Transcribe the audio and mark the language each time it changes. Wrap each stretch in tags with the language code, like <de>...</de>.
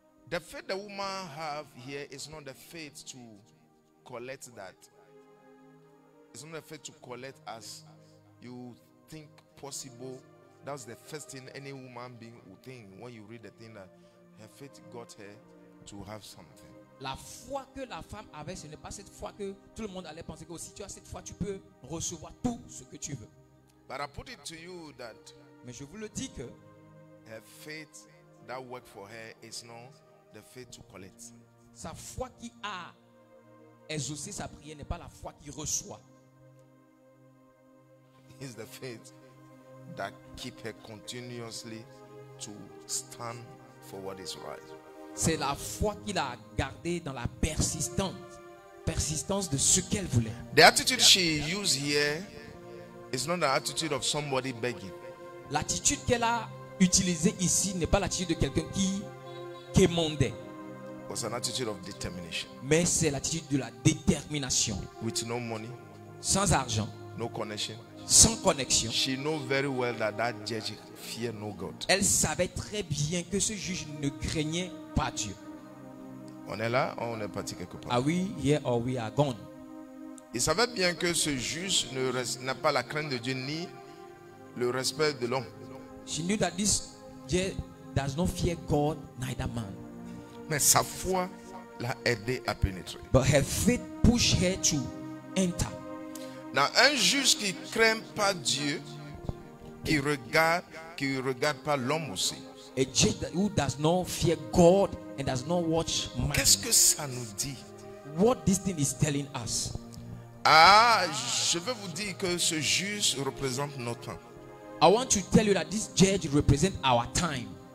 <en>The faith the woman have here is not the faith to collect that. It's not the faith to collect as you think possible. That's the first thing any woman being would think when you read the thing that her faith got her to have something.</en> <fr>La foi que la femme avait, ce n'est pas cette foi que tout le monde allait penser que si tu as cette foi, tu peux recevoir tout ce que tu veux.</fr> <en>But I put it to you that</en> <fr>mais je vous le dis que</fr> <en>her faith that work for her is not the faith to collect.</en> <fr>Sa foi qui a exaucé sa prière n'est pas la foi qui reçoit.</fr> <en>It's the faith that keep her continuously to stand for what is right.</en> <fr>C'est la foi qui l'a gardée dans la persistance de ce qu'elle voulait.</fr> <en>The attitude she used here is not the attitude of somebody begging.</en> <fr>L'attitude qu'elle a utilisée ici n'est pas l'attitude de quelqu'un qui demandait.</fr> <en>Was an attitude of determination.</en> <fr>Mais c'est l'attitude de la détermination.</fr> <en>With no money.</en> <fr>Sans argent.</fr> <en>No connection.</en> <fr>Sans connexion.</fr> <en>She knew very well that that judge feared no God.</en> <fr>Elle savait très bien que ce juge ne craignait pas Dieu. On est là, on est parti quelque part. Ah oui,</fr> <en>yeah, or we are gone.</en> <fr>Il savait bien que ce juge n'a pas la crainte de Dieu ni le respect de l'homme.</fr> <en>She knew that this judge does not fear God neither man.</en> <fr>Mais sa foi l'a aidé à pénétrer.</fr> <en>But her faith pushed her to enter.</en> <fr>Now, un juge qui craint pas Dieu, qui regarde pas l'homme aussi.</fr> <en>A judge who does not fear God and does not watch man.</en> <fr>Qu'est-ce que ça nous dit?</fr> <en>What this thing is telling us?</en> <fr>Ah, je veux vous dire que ce juge représente notre temps.</fr> <en>I want to tell you that this judge represents our time.</en>